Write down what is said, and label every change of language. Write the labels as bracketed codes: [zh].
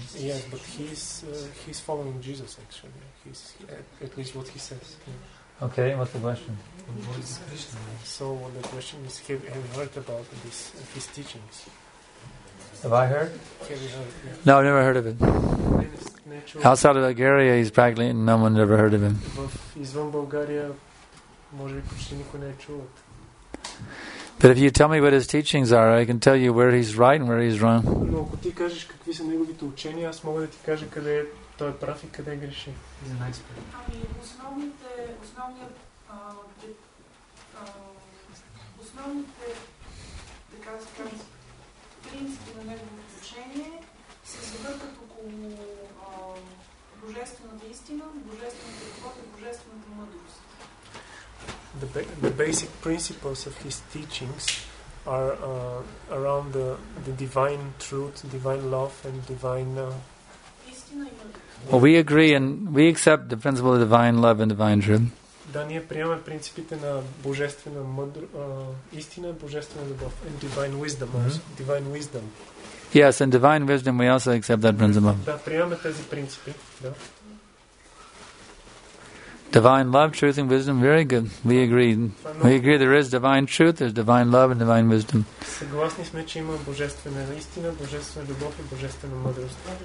[en] Yes, but he's following Jesus actually. He's at least what he says. Yeah. Okay, what's the question? So the question is: have you heard about this? His teachings. Have I heard? Have you heard? Yeah. No, I've never heard of it. Outside of Bulgaria, he's practically no one ever heard of him. [bg] Извън България, може би почти никой не е чул. [en] But if you tell me what his teachings are, I can tell you where he's right and where he's wrong. [bg] Но ако ти кажеш какви са неговите учения, аз мога да ти кажа къде той е прав и къде е греши. Основните така да кажем, принципи на неговото учение се завъртат около божествената истина, божествената любов и божествената мъдрост. [en] The basic principles of his teachings are around the divine truth, divine love, and divine. Well, we agree and we accept the principle of divine love and divine truth. [bg] Да, ние приемаме принципите на божествена истина, божествена любов, [en] and divine wisdom. Mm-hmm. Also, divine wisdom. Yes, and divine wisdom. We also accept that principle. [bg] Да, приемаме тези принципи. Да. [en] Divine love, truth, and wisdom. Very good. We agree. We agree there is divine truth, there's divine love, and divine wisdom. [bg] Съгласни сме, че има божествена истина, божествена любов и божествена мъдрост.